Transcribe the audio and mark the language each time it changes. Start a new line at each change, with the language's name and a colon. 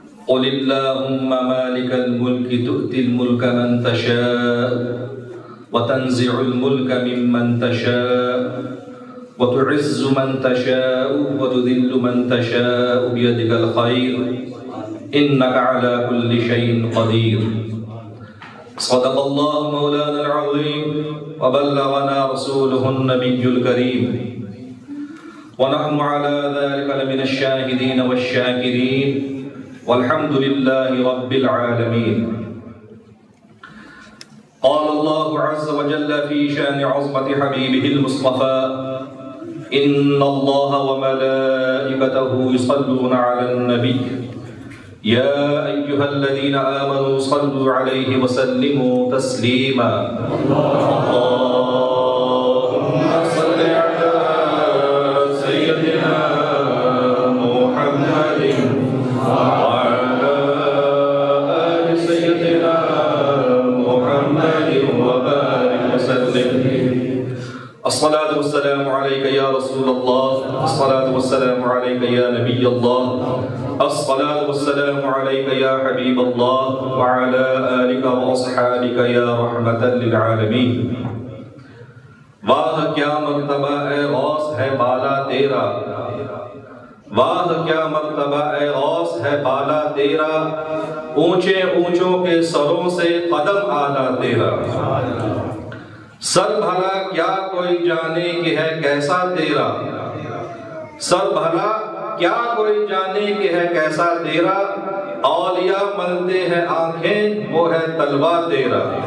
Arabic: कुलिल्लाहुम्म मालिकल मुल्क तुतिल मुल्क मन तशा व तन्ज़िउल मुल्क मिम्मन तशा وتعز من تشاء وتذل من تشاء بيدك الخير انك على كل شيء قدير صدق الله مولانا العظيم وبلغنا رسوله النبي الكريم ونحن على ذلك من الشاهدين والشاكرين والحمد لله رب العالمين. قال الله عز وجل في شان عظمة حبيبه المصطفى: إن الله وملائكته يصلون على النبي يا أيها الذين آمنوا صلوا عليه وسلموا تسليما. اللهم صل على سيدنا محمد وعلى آل سيدنا محمد وبارك وسلم. الصلاة والسلام عليك يا رسول الله، الصلاة والسلام عليك يا نبي الله، الصلاة والسلام عليك يا حبيب الله، وعلى آلك وأصحابك يا رحمة للعالمين.
Urdu: واہ کیا مرتبہ اے غوث ہے بالا تیرا، واہ کیا مرتبہ اے غوث ہے بالا تیرا، اونچے اونچوں کے سروں سے قدم آلہ تیرا. سر بھلا کیا کوئی جانے کہ ہے کیسا تیرا، سر بھلا کیا کوئی جانے کہ ہے کیسا تیرا، اولیاء ملتے ہیں آنکھیں وہ ہے طلبہ تیرا.